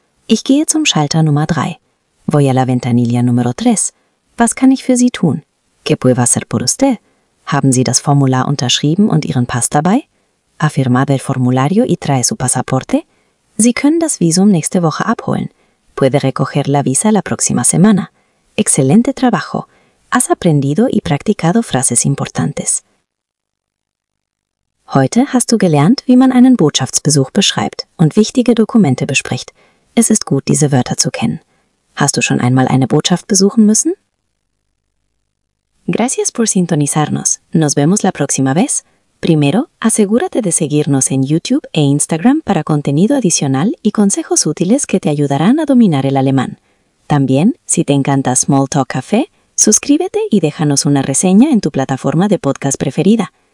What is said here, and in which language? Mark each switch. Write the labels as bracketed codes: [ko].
[de] Ich gehe zum Schalter Nummer 3. [es] Voy a la ventanilla número 3. [de] Was kann ich für Sie tun? [es] ¿Qué puedo hacer por usted? [de] Haben Sie das Formular unterschrieben und Ihren Pass dabei? [es] ¿Ha firmado el formulario y trae su pasaporte? [de] Sie können das Visum nächste Woche abholen. [es] Puede recoger la visa la próxima semana. Excelente trabajo. Has aprendido y practicado frases importantes. [de] Heute hast du gelernt, wie man einen Botschaftsbesuch beschreibt und wichtige Dokumente bespricht. Es ist gut, diese Wörter zu kennen. Hast du schon einmal eine Botschaft besuchen müssen? [es] Gracias por sintonizarnos. Nos vemos la próxima vez. Primero, asegúrate de seguirnos en YouTube e Instagram para contenido adicional y consejos útiles que te ayudarán a dominar el alemán. También, si te encanta Small Talk Café, suscríbete y déjanos una reseña en tu plataforma de podcast preferida.